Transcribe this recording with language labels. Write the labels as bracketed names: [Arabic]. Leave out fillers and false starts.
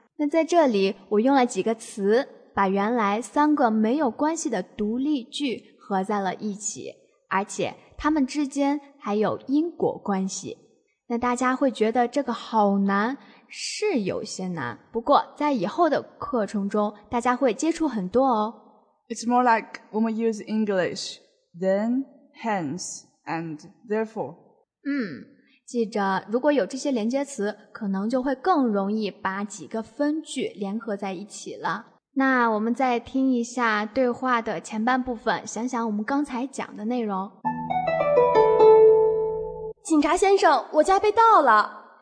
[Chinese] 那在这里我用了几个词，把原来三个没有关系的独立句合在了一起，而且它们之间还有因果关系。那大家会觉得这个好难，是有些难，不过在以后的课程中大家会接触很多哦。 [English] It's more like when we use English, then, hence, and therefore. [Chinese] 记着，如果有这些连接词，可能就会更容易把几个分句联合在一起了。那我们再听一下对话的前半部分，想想我们刚才讲的内容。警察先生，我家被盗了。